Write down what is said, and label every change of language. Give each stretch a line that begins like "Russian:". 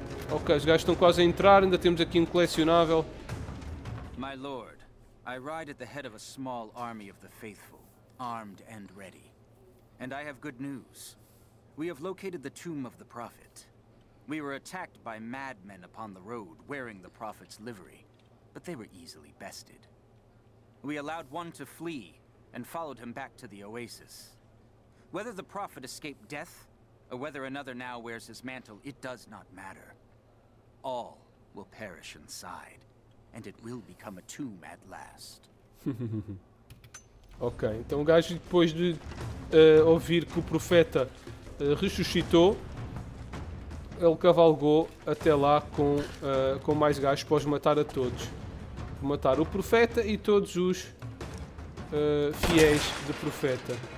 Portuguese: Ok, os gajos estão quase a entrar, ainda temos aqui um colecionável.
English: My lord. I ride at the head of a small army of the faithful, armed and ready. And I have good news. We have located the tomb of the Prophet. We were attacked by madmen upon the road, wearing the Prophet's livery, but they were easily bested. We allowed one to flee, and followed him back to the oasis. Whether the Prophet escaped death, or whether another now wears his mantle, it does not matter. All will perish inside. And it will become a tomb at last.
Portuguese: Ok, então o gajo depois de ouvir que o profeta ressuscitou, ele cavalgou até lá com mais gajos para os matar a todos. Matar o profeta e todos os fiéis do profeta.